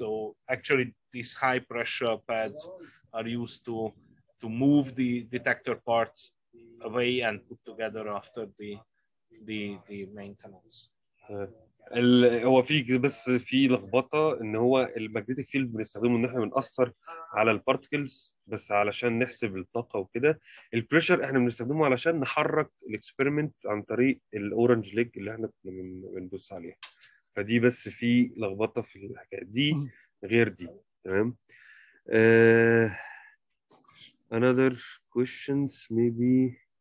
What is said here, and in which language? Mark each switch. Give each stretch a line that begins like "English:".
English: So actually these high pressure pads are used to move the detector parts away and put together after the maintenance.
Arabic: هو في بس في لخبطه ان هو الماجنتيك فيلد بنستخدمه ان احنا بنأثر على البارتكلز بس علشان نحسب الطاقه وكده. البريشر احنا بنستخدمه علشان نحرك الاكسبيرمنت عن طريق الاورنج ليج اللي احنا بنبص عليها. فدي بس في لخبطه في الحكايه دي غير دي. تمام.
English: Another questions maybe.